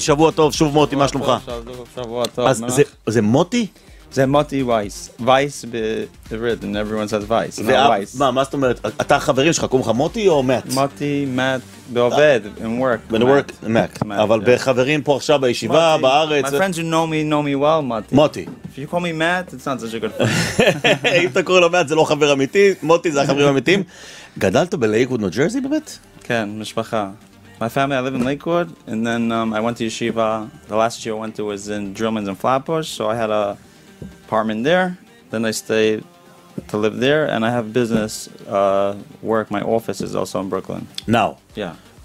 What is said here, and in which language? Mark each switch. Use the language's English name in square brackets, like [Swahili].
[Hebrew] שבוע טוב, שוב מוטי, מה שלומך? שבוע טוב, אז זה מוטי? זה מוטי וייס. [English] וייס בריטן, everyone says וייס, not וייס. [Hebrew] מה, מה זאת אומרת? אתה חברים שלך, קוראים לך מוטי או מאט? מוטי, מאט, בעובד, [English] in work. In work, מאט. [Hebrew] אבל בחברים פה עכשיו בישיבה, בארץ... [English] My friends who know me well, מוטי. [Hebrew] מוטי. [English] If you call me Matt, it's not such a good friend. [Hebrew] אם אתה קורא לו מאט, זה לא חבר אמיתי, מוטי זה החברים האמיתיים. גדלת בלייקווד, ניו ג'רזי באמת? כן, משפחה. [English] My family, I live in Lakewood, and then I went to yeshiva. The last year I went to was in Drillman's in Flatbush, so I had a apartment there. Then I stayed to live there, and I have business work. My office is also in Brooklyn. Now? Yeah.